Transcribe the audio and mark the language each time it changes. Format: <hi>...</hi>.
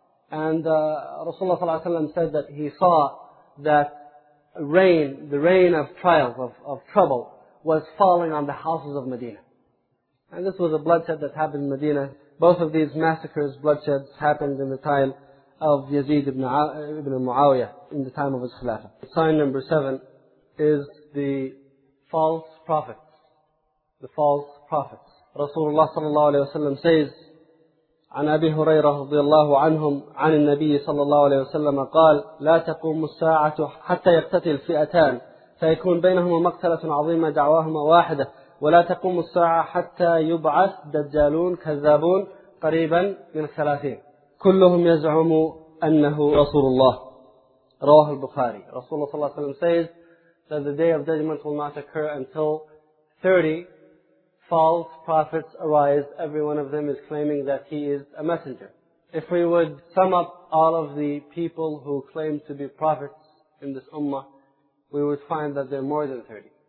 <en>And Rasulullah sallallahu alayhi wa sallam said that he saw that rain, the rain of trials, of trouble, was falling on the houses of Medina. And this was a bloodshed that happened in Medina. Both of these massacres, bloodsheds, happened in the time of Yazid ibn Muawiyah, in the time of his Khilafah. Sign number 7 is the false prophets. The false prophets. Rasulullah sallallahu alayhi wa sallam says,</en> <ar>عن أبي هريرة رضي الله عنهم عن النبي صلى الله عليه وسلم قال لا تقوم الساعة حتى يقتتل فئتان فيكون بينهما مقتلة عظيمة دعواهما واحدة ولا تقوم الساعة حتى يبعث دجالون كذابون قريبا من 30 كلهم يزعم أنه رسول الله. رواه البخاري.</ar> <en>رسول الله صلى الله عليه وسلم says that the day of judgment will not occur until 30 false prophets arise. Every one of them is claiming that he is a messenger. If we would sum up all of the people who claim to be prophets in this ummah, we would find that they're more than 30.</en>